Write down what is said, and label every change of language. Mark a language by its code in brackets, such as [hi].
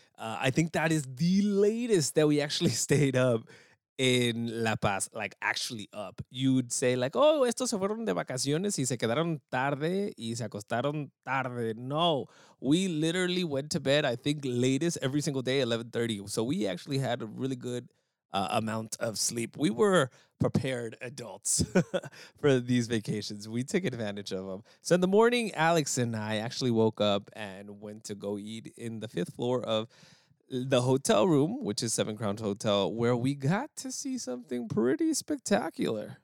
[en] I think that is the latest that we actually stayed up in La Paz, like actually up. You'd say like, oh, [es] estos se fueron de vacaciones y se quedaron tarde y se acostaron tarde. [en] No, we literally went to bed, I think latest every single day, 11:30. So we actually had a really good amount of sleep. We were prepared adults for these vacations. We took advantage of them. So in the morning, Alex and I actually woke up and went to go eat in the fifth floor of the hotel room, which is Seven Crowns Hotel, where we got to see something pretty spectacular.